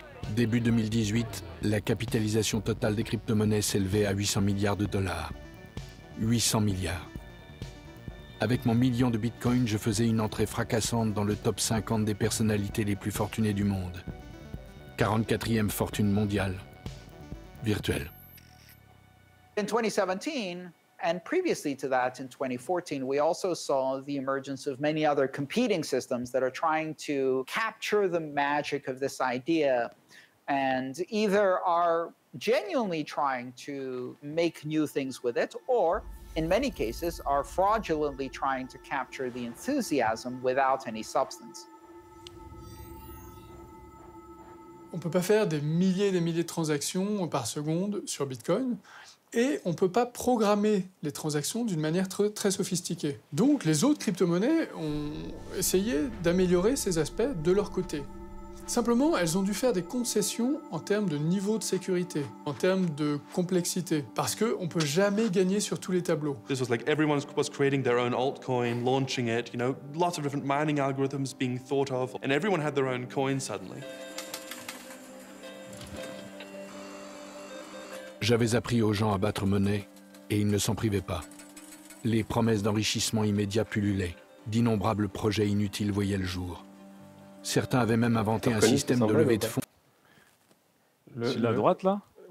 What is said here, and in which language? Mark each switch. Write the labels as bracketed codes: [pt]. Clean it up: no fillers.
[fr] Début 2018, la capitalisation totale des crypto-monnaies s'élevait à 800 milliards de dollars. 800 milliards. Avec mon million de bitcoins, je faisais une entrée fracassante dans le top 50 des personnalités les plus fortunées du monde. 44e fortune mondiale. Virtuelle. [en] In 2017, and previously to that, in 2014, we also saw the emergence of many other competing systems that are trying to capture the magic of this idea and either are genuinely trying to make new things with it or, in many cases, are fraudulently trying to capture the enthusiasm without any substance. [fr] On peut pas faire des milliers et des milliers de transactions par seconde sur Bitcoin. Et on ne peut pas programmer les transactions d'une manière très sophistiquée. Donc les autres crypto-monnaies ont essayé d'améliorer ces aspects de leur côté. Simplement, elles ont dû faire des concessions en termes de niveau de sécurité, en termes de complexité, parce qu'on ne peut jamais gagner sur tous les tableaux. [en] This was like everyone was creating their own altcoin, launching it, you know, lots of different mining algorithms being thought of, and everyone had their own coin suddenly. [fr] J'avais appris aux gens à battre monnaie, et ils ne s'en privaient pas. Les promesses d'enrichissement immédiat pullulaient, d'innombrables projets inutiles voyaient le jour. Certains avaient même inventé un système de levée de fonds. C'est la droite, là ?